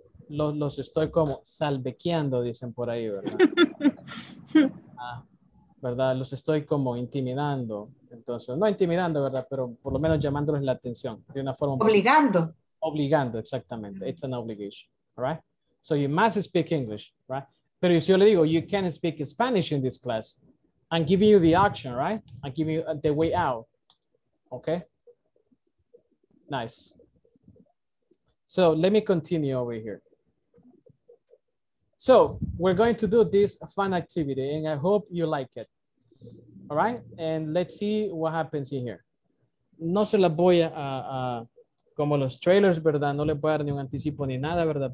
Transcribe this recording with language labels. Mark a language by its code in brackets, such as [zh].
[es] Los estoy como salvequeando, dicen por ahí, ¿verdad? ¿Verdad? Los estoy como intimidando. Entonces, no intimidando, ¿verdad? Pero por lo menos llamándoles la atención de una forma. Obligando. Obligando, exactamente. [en] It's an obligation, all right? So you must speak English, right? [es] Pero yo le digo, [en] you can't speak Spanish in this class. I'm giving you the option, right? I'm giving you the way out. Okay? Nice. So let me continue over here. So we're going to do this fun activity and I hope you like it. All right? And let's see what happens in here. [es] No se la voy a, como los trailers, ¿verdad? No les voy a dar ni un anticipo ni nada, ¿verdad?